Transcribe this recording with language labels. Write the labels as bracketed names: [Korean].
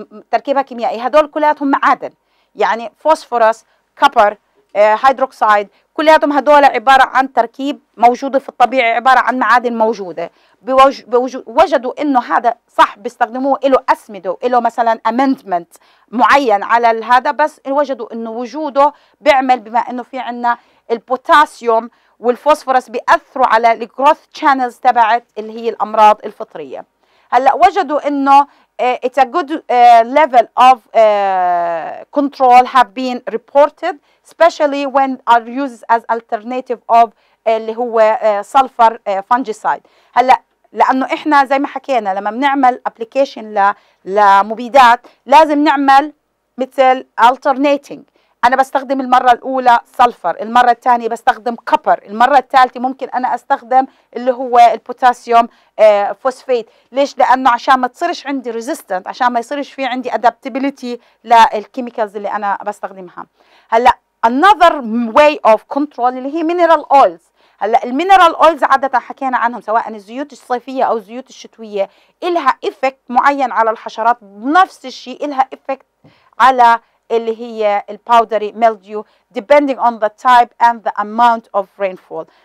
[Arabic] تركيبها كيميائي هدول كلياتهم معادن يعني فوسفورس كبر هيدروكسيد كلياتهم هدول عباره عن تركيب موجوده في الطبيعه عباره عن معادن موجوده وجدوا انه هذا صح بيستخدموه له اسمده له مثلا امندمنت معين على هذا بس وجدوا انه وجوده بيعمل بما انه في عندنا البوتاسيوم والفوسفورس بياثروا على الجروث شانلز تبعت اللي هي الامراض الفطريه. هلا وجدوا انه [English] it's a good level of control have been reported, especially when are used as alternative of [Arabic] اللي هو سلفر فانجيسايد. هلا لانه احنا زي ما حكينا لما بنعمل ابلكيشن لمبيدات لازم نعمل مثل alternating. انا بستخدم المره الاولى سلفر، المره الثانيه بستخدم كوبر، المره الثالثه ممكن انا استخدم اللي هو البوتاسيوم فوسفيت. ليش؟ لانه عشان ما تصيرش عندي ريزيستنت، عشان ما يصيرش في عندي ادابتيبيليتي للكيميكالز اللي انا بستخدمها. [English] هلا another way of control اللي هي mineral oils. [Arabic] هلا المينرال اويلز عاده حكينا عنهم، سواء الزيوت الصيفيه او الزيوت الشتويه، الها افكت معين على الحشرات، نفس الشيء الها افكت على اللي هي الباودري ميلديو [English] depending on the type and the amount of rainfall.